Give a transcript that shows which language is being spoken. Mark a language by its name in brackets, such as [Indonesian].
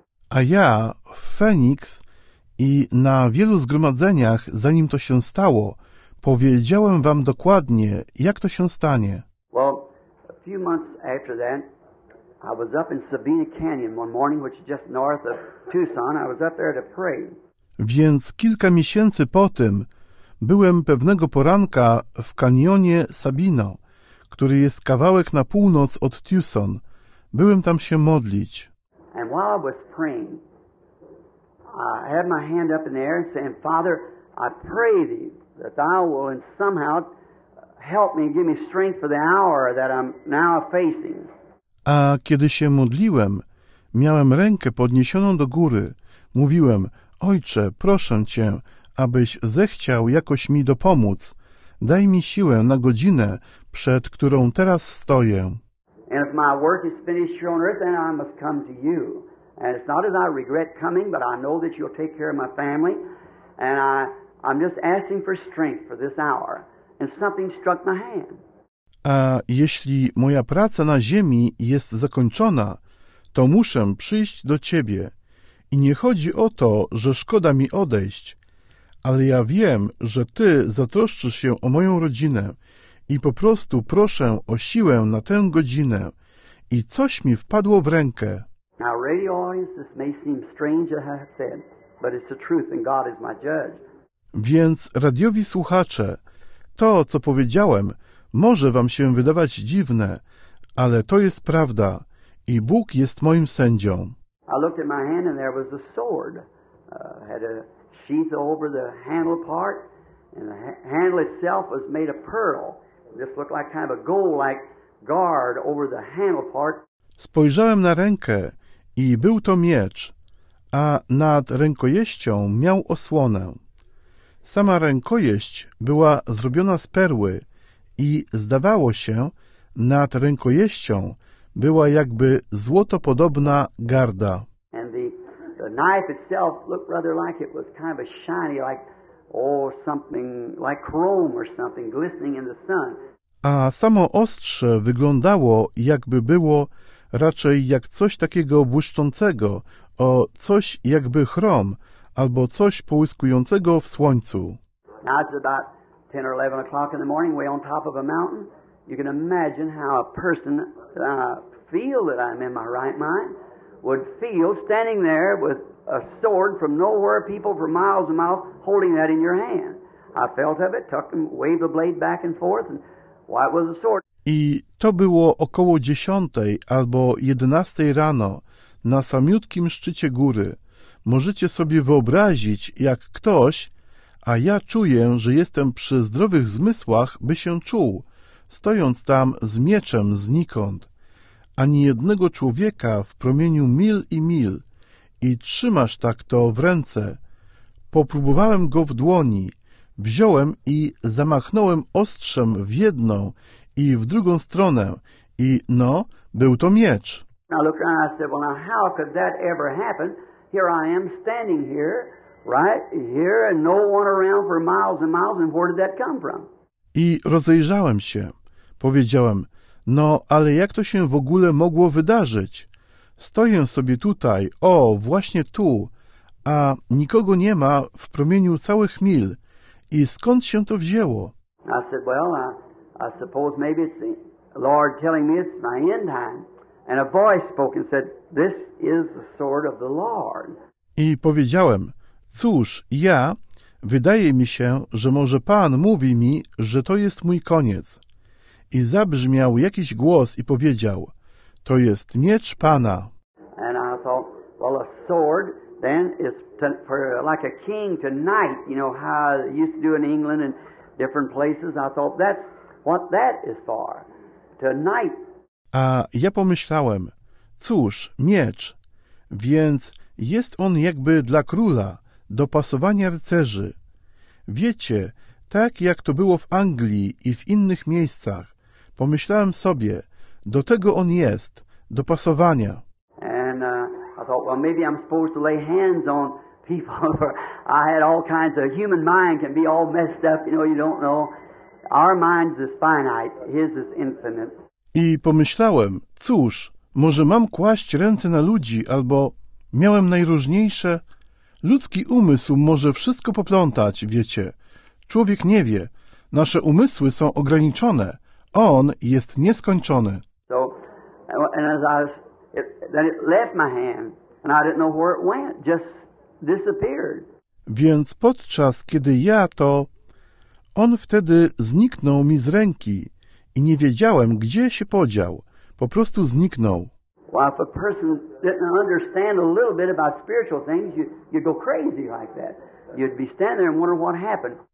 [Polish] A ja w Phoenix i na wielu zgromadzeniach, zanim to się stało, powiedziałem wam dokładnie, jak to się stanie. [English] Well, a few months after that, I was up in Sabina Canyon one morning, which is just north of Tucson. I was up there to pray. [Polish] Więc kilka miesięcy po tym byłem pewnego poranka w kanionie Sabino, który jest kawałek na północ od Tucson. Byłem tam się modlić. [English] And while I was praying, I had my hand up in the air and saying, Father, I pray thee that thou will somehow help me and give me strength for the hour that I'm now facing. [Polish] A kiedy się modliłem, miałem rękę podniesioną do góry. Mówiłem, Ojcze, proszę Cię, abyś zechciał jakoś mi dopomóc. Daj mi siłę na godzinę, przed którą teraz stoję. [English] And if my work is finished here on earth, then I must come to you. And it's not as I regret coming, but I know that you'll take care of my family. And I'm just asking for strength for this hour. And something struck my hand. [Polish] A jeśli moja praca na ziemi jest zakończona, to muszę przyjść do Ciebie. I nie chodzi o to, że szkoda mi odejść, ale ja wiem, że Ty zatroszczysz się o moją rodzinę i po prostu proszę o siłę na tę godzinę. I coś mi wpadło w rękę. [English] Now, radio audience, this may seem strange, as I have said, but it's the truth and God is my judge. [Polish] Więc radiowi słuchacze, to, co powiedziałem, może wam się wydawać dziwne, ale to jest prawda i Bóg jest moim sędzią. [English] I looked at my hand and there was a sword. Had a sheath over the handle part and the handle itself was made of pearl. This looked like kind of a gold-like guard over the handle part. [Polish] Spojrzałem na rękę i był to miecz, a nad rękojeścią miał osłonę. Sama rękojeść była zrobiona z perły i zdawało się, nad rękojeścią była jakby złotopodobna garda. [English] And the knife itself looked rather like it was kind of a shiny, like or something like chrome or something glistening in the sun. [Polish] A samo ostrze wyglądało, jakby było raczej jak coś takiego błyszczącego, o coś jakby chrom, albo coś połyskującego w słońcu. [English] Now it's about 10 or 11 o'clock in the morning, way on top of a mountain. You can imagine how a person feel that I'm in my right mind would feel standing there with a sword from nowhere, people for miles and miles holding that in your hand. I felt of it, tucked and waved the blade back and forth, and why it was a sword. [Polish] I to było około 10 albo 11 rano na samiutkim szczycie góry. Możecie sobie wyobrazić, jak ktoś, a ja czuję, że jestem przy zdrowych zmysłach, by się czuł, stojąc tam z mieczem znikąd. Ani jednego człowieka w promieniu mil i mil. I trzymasz tak to w ręce. Popróbowałem go w dłoni. Wziąłem i zamachnąłem ostrzem w jedną i w drugą stronę. I no, był to miecz. [English] I looked around and I said, well, now how could that ever happen? Here I am standing here, right here, and no one around for miles and miles, and where did that come from? [Polish] I rozejrzałem się. Powiedziałem, no ale jak to się w ogóle mogło wydarzyć? Stoję sobie tutaj, o, właśnie tu, a nikogo nie ma w promieniu całych mil. I skąd się to wzięło? [English] I said, well, I suppose maybe it's the Lord telling me it's my end time. And a voice spoke and said, this is the sword of the Lord. [Polish] I powiedziałem, cóż, ja, wydaje mi się, że może Pan mówi mi, że to jest mój koniec. I zabrzmiał jakiś głos i powiedział, to jest miecz Pana. [English] And I thought, well, a sword then is for like a king to knight, you know, how they used to do in England and different places. I thought, that's what that is for, to knight. [Polish] A ja pomyślałem, cóż, miecz, więc jest on jakby dla króla, do pasowania rycerzy. Wiecie, tak jak to było w Anglii i w innych miejscach, pomyślałem sobie, do tego on jest, do pasowania. [English] And I thought, well, maybe I'm supposed to lay hands on people, or I had all kinds of, human mind can be all messed up, you know, you don't know. Our mind is finite, his is infinite. [Polish] I pomyślałem, cóż, może mam kłaść ręce na ludzi, albo miałem najróżniejsze. Ludzki umysł może wszystko poplątać, wiecie. Człowiek nie wie. Nasze umysły są ograniczone. On jest nieskończony. [English] So, and as I was, it, then it left my hand, and I didn't know where it went, just disappeared. [Polish] Więc podczas, kiedy ja to, on wtedy zniknął mi z ręki. I nie wiedziałem, gdzie się podział. Po prostu zniknął. [English] Well, if a person didn't understand a little bit about spiritual things, you'd go crazy like that. You'd be standing there and wondering what happened.